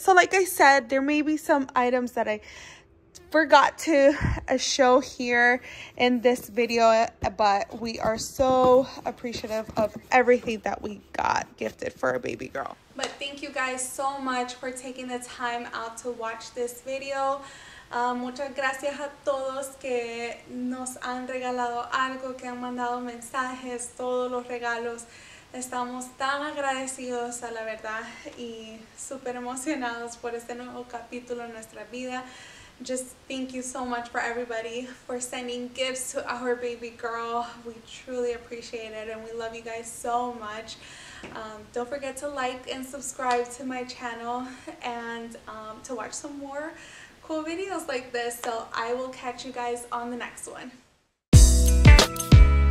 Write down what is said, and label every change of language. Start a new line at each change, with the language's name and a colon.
English: So like I said, there may be some items that I forgot to show here in this video, but we are so appreciative of everything that we got gifted for a baby girl. But thank you guys so much for taking the time out to watch this video.
Spanish: Muchas gracias a todos que nos han regalado algo, que han mandado mensajes, todos los regalos. Estamos tan agradecidos a la verdad y super emocionados por este nuevo capítulo en nuestra vida.
English: Just thank you so much for everybody for sending gifts to our baby girl. We truly appreciate it and we love you guys so much. Don't forget to like and subscribe to my channel and to watch some more videos like this. So I will catch you guys on the next one.